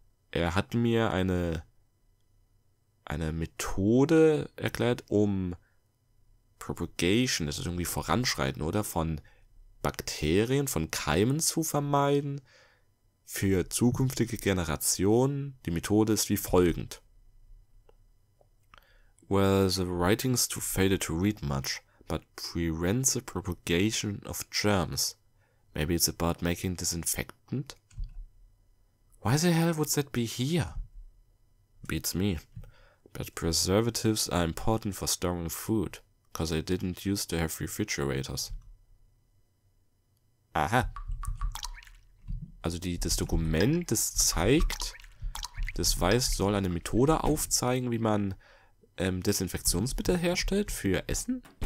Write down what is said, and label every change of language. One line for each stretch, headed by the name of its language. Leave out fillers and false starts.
German: Er hat mir eine Methode erklärt, um Propagation, das ist irgendwie Voranschreiten, oder? Von Bakterien, von Keimen zu vermeiden für zukünftige Generationen. Die Methode ist wie folgend.
English: Well, the writing's too faded to read much, but prevents the propagation of germs. Maybe it's about making disinfectant? Why the hell would that be here? Beats me. But preservatives are important for storing food, because I didn't used to have refrigerators. Aha.
German: Also das Dokument, das zeigt, das weiß, soll eine Methode aufzeigen, wie man Desinfektionsmittel herstellt für Essen?